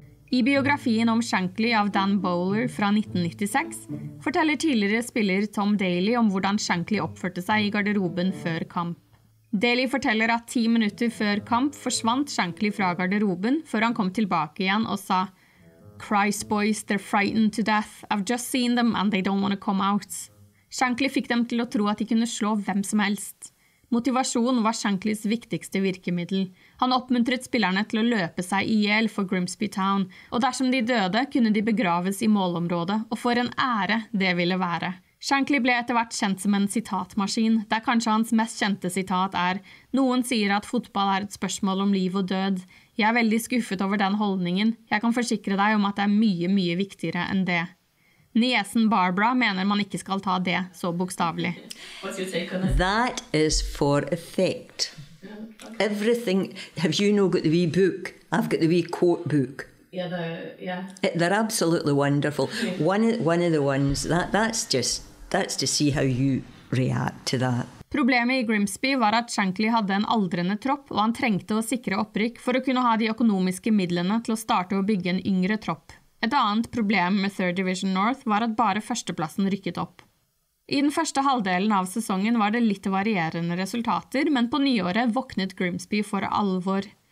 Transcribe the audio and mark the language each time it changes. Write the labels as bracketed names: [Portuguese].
[Norwegian] I biografien om Shankly av Dan Bowler fra 1996 forteller tidligere spiller Tom Daley om hvordan Shankly oppførte seg i garderoben før kamp. Daley forteller at 10 minutter før kamp forsvant Shankly fra garderoben før han kom tilbake igjen og sa [English] Christ, boys, they're frightened to death. I've just seen them and they don't want to come out. [Norwegian] Shankly fikk dem til å tro at de kunne slå hvem som helst. Motivasjon var Shanklys viktigste virkemiddel. Han oppmuntret spillerne til å løpe seg ihjel for Grimsby Town, og dersom de døde, kunne de begraves i målområdet, og for en ære det ville være. Shankly ble etter hvert kjent som en sitatmaskin, der kanskje hans mest kjente sitat er «Noen sier at fotball er et spørsmål om liv og død. Jeg er veldig skuffet over den holdningen. Jeg kan forsikre deg om at det er mye, mye viktigere enn det». Niesen Barbara mener man ikke skal ta det så bokstavelig. [English] That is for effect. Everything, have you not got the wee book? I've got the wee quote book. They're absolutely wonderful. That's just to see how you react to that. [Norwegian] Problemet i Grimsby var at Shankly hadde en aldrende tropp, og han trengte å sikre opprykk for å kunne ha de økonomiske midlene til å starte å bygge en yngre tropp. Et annet problem med 3rd Division North var at bare førsteplassen rykket opp. I den første halvdelen av sesongen var det litt varierende resultater, men på nyåret våknet Grimsby for alvor.